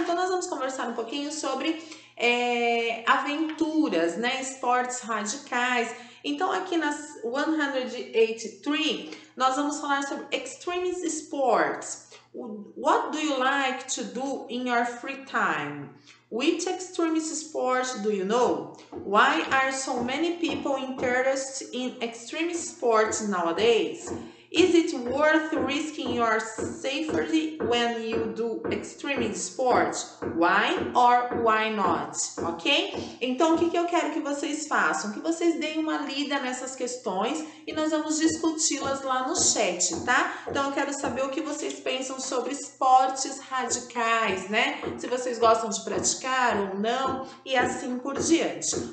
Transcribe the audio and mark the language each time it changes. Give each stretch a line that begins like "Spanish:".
Portuguese: Então, nós vamos conversar um pouquinho sobre aventuras, né? Esportes radicais. Então, aqui nas 183, nós vamos falar sobre
English: extreme sports. What do you like to do in your free time? Which extreme sport do you know? Why are so many people interested in extreme sports nowadays? Is it worth risking your safety when you do extreme sports? Why or why not? Ok?
Portuguese: Então, o que eu quero que vocês façam? Que vocês deem uma lida nessas questões e nós vamos discuti-las lá no chat, tá? Então, eu quero saber o que vocês pensam sobre esportes radicais, né? Se vocês gostam de praticar ou não e assim por diante.